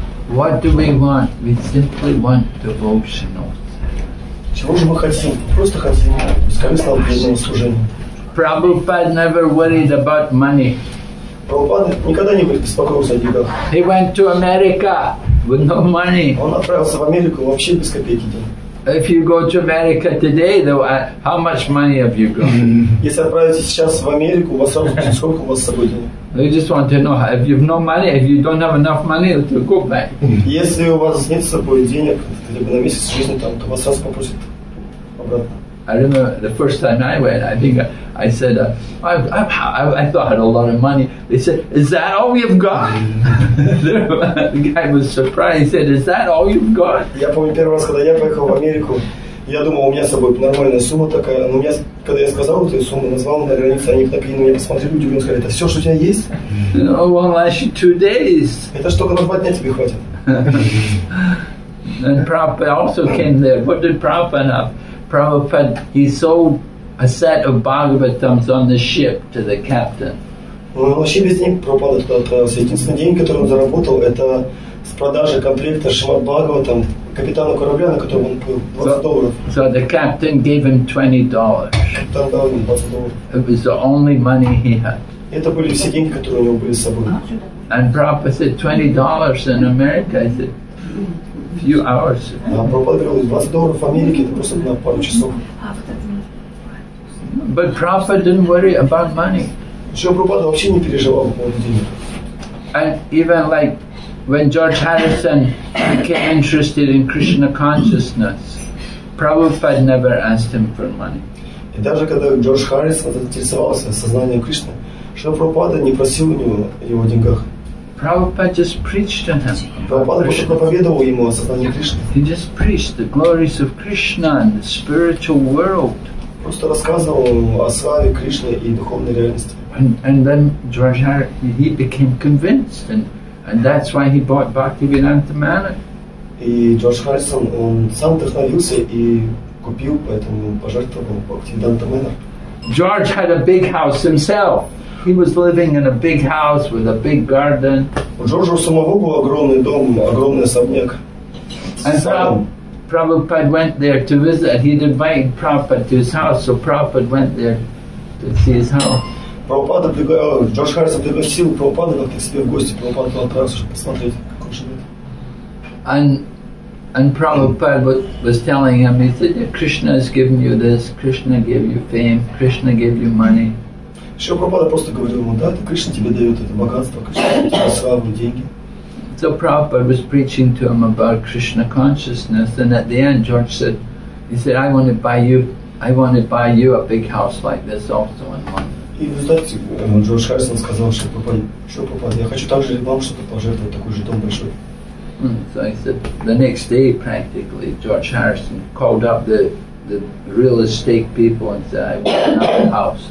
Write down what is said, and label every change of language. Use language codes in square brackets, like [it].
[en] What do we want? We simply want devotional. [ru] Чего же мы хотим? Просто хотим бескорыстного преданного служения. [en] Prabhupada never worried about money. [ru] Прабхупада никогда не беспокоился о деньгах. [en] He went to America. With no money. [ru] Он отправился в Америку вообще без копейки денег. [en] If you go to America today, how much money have you got? [ru] Если отправитесь сейчас в Америку, у вас сколько у вас с собой денег? [en] They just want to know if you've no money, if you don't have enough money to go back. [ru] Если у вас нет с собой денег, либо на месяц жизни там, то вас сразу попросят обратно. [en] I remember the first time I went, I think I said I thought I had a lot of money. They said, "Is that all you've got?" The guy was surprised. He said, "Is that all you've got?" [ru] Я помню первый раз, когда я поехал в Америку, я думал, у меня с собой нормальная сумма такая. Но когда я сказал эту сумму, назвал на границе, они на меня посмотрели, удивленно сказали, "Это все, что у тебя есть?" [en] No, one last you 2 days. [ru] Это что, на 2 дня тебе хватит? [en] And Prabhupada also came there. What did Prabhupada have? Prabhupada, he sold a set of Bhagavatams on the ship to the captain. [ru] Он вообще без денег пропадал туда отправился. Единственный день, который он заработал, это с продажи комплекта Шримад Бхагаватам капитану корабля, на котором он был, $20. [en] So the captain gave him $20. [ru] Капитан дал ему $20. [en] It was the only money he had. [ru] Это были все деньги, которые у него были с собой. [en] And Prabhupada said, $20 in America, I said, few hours. [ru] Да, Прабхупада говорил, $20 в Америке, это просто на пару часов. [en] But Prabhupada didn't worry about money. [ru] Чего Прабхупада вообще не переживал по поводу денег. [en] And even like when George Harrison became interested in Krishna consciousness, Prabhupada never asked him for money. [ru] И даже когда Джордж Харрисон заинтересовался сознанием Кришны, Шрила Прабхупада не просил у него о деньгах. [en] Prabhupada just preached to him. [ru] Прабхупада просто проповедовал ему о сознании Кришны. [en] He just preached the glories of Krishna and the spiritual world. [ru] Просто рассказывал ему о славе Кришны и духовной реальности. [en] And then George Harrison, he became convinced, and that's why he bought Bhakti Vinanta Manor. [ru] И Джордж Харрисон, он сам вдохновился и купил, поэтому пожертвовал Бхакти Винанта Манор. [en] George had a big house himself. He was living in a big house with a big garden. [ru] У Джорджа у самого был огромный дом, огромный особняк. [en] And Prabhupada went there to visit. He'd invited Prabhupada to his house, so Prabhupada went there to see his house. [ru] Прабхупада пригласил, Джордж Харрисон пригласил Прабхупада к себе в гости. Прабхупада отправился, чтобы посмотреть, как он живет. [en] And Prabhupada was telling him, he said, Krishna has given you this, Krishna gave you fame, Krishna gave you money. [ru] Еще Прабхупада просто говорил ему, да, это Кришна тебе дает это богатство, Кришна дает тебе славу, деньги. [en] So Prabhupada was preaching to him about Krishna consciousness, and at the end George said, he said, I want to buy you a big house like this also in London. [ru] И вы знаете, Джордж Харрисон сказал, что Прабхупада, я хочу также вам что-то пожертвовать, такой же дом большой. [en] So he said, the next day practically, George Harrison called up the real estate people and said, I want another house.